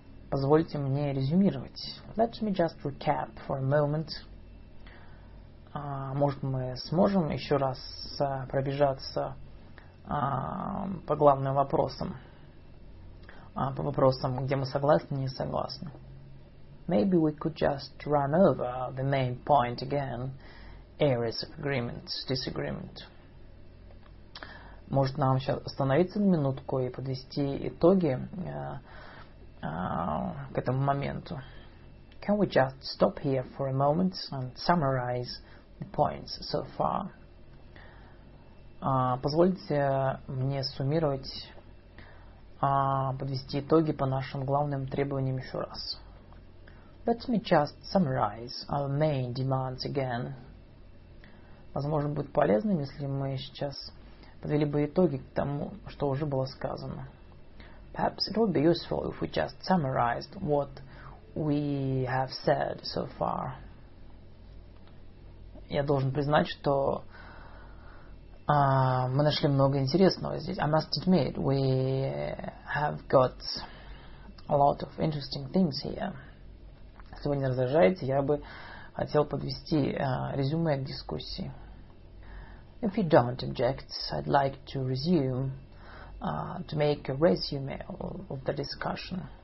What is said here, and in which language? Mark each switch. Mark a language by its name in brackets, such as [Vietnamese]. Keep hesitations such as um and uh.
[Russian] Позвольте мне резюмировать. [English] Let me just recap for a moment. [Russian] может, мы сможем еще раз пробежаться по главным вопросам. по вопросам, где мы согласны, не согласны. [English] Maybe we could just run over the main point again. Areas of agreement, disagreement. [Russian] может нам сейчас остановиться на минутку и подвести итоги uh, uh, к этому моменту. [English] Can we just stop here for a moment and summarize the points so far? [Russian] Uh, позвольте мне суммировать, подвести итоги по нашим главным требованиям еще раз. [English] Let me just summarize our main demands again. [Russian] Возможно, будет полезно, если мы сейчас подвели бы итоги к тому, что уже было сказано. [English] Perhaps it would be useful if we just summarized what we have said so far. [Russian] Я должен признать, что uh, мы нашли много интересного здесь. [English] I must admit, we have got a lot of interesting things here. [Russian] Если вы не раздражаете, я бы хотел подвести uh, резюме к дискуссии. [English] If you don't object, I'd like to resume uh, to make a resume of the discussion.